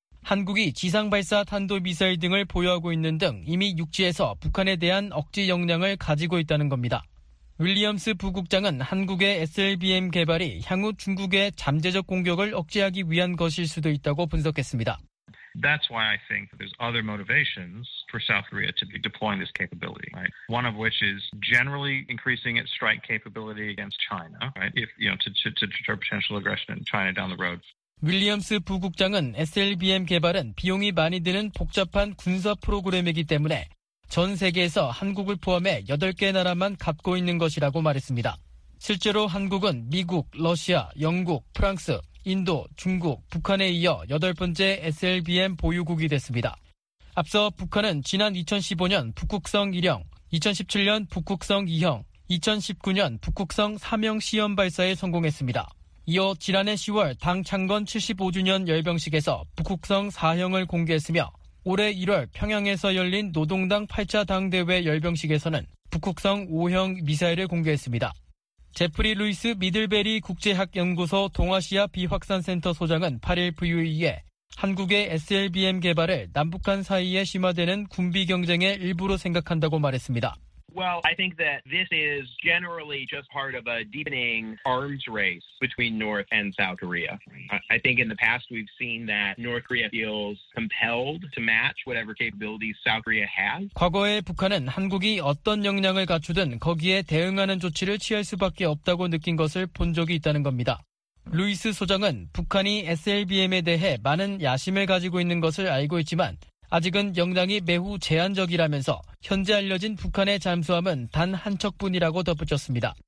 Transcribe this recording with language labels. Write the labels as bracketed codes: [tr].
[ko] 한국이 지상발사 탄도미사일 등을 보유하고 있는 등 이미 육지에서 북한에 대한 억지 역량을 가지고 있다는 겁니다. 윌리엄스 부국장은 한국의 SLBM 개발이 향후 중국의 잠재적 공격을 억제하기 위한 것일 수도 있다고 분석했습니다. [en] That's why I think there's other motivations for South Korea to be deploying this capability, right? One of which is generally increasing its strike capability against China, right? If, you know, to deter potential aggression in China down the road. [ko] 윌리엄스 부국장은 SLBM 개발은 비용이 많이 드는 복잡한 군사 프로그램이기 때문에 전 세계에서 한국을 포함해 8개 나라만 갖고 있는 것이라고 말했습니다. 실제로 한국은 미국, 러시아, 영국, 프랑스, 인도, 중국, 북한에 이어 8번째 SLBM 보유국이 됐습니다. 앞서 북한은 지난 2015년 북극성 1형, 2017년 북극성 2형, 2019년 북극성 3형 시험 발사에 성공했습니다. 이어 지난해 10월 당 창건 75주년 열병식에서 북극성 4형을 공개했으며 올해 1월 평양에서 열린 노동당 8차 당대회 열병식에서는 북극성 5형 미사일을 공개했습니다. 제프리 루이스 미들베리 국제학연구소 동아시아 비확산센터 소장은 8일 VOA에 한국의 SLBM 개발을 남북 간 사이에 심화되는 군비 경쟁의 일부로 생각한다고 말했습니다. [en] Well, I think that this is generally just part of a deepening arms race between North and South Korea. I think in the past we've seen that North Korea feels compelled to match whatever capabilities South Korea has. [ko] 과거에 북한은 한국이 어떤 역량을 갖추든 거기에 대응하는 조치를 취할 수밖에 없다고 느낀 것을 본 적이 있다는 겁니다. 루이스 소장은 북한이 SLBM에 대해 많은 야심을 가지고 있는 것을 알고 있지만 아직은 역량이 매우 제한적이라면서 현재 알려진 북한의 잠수함은 단 한 척뿐이라고 덧붙였습니다.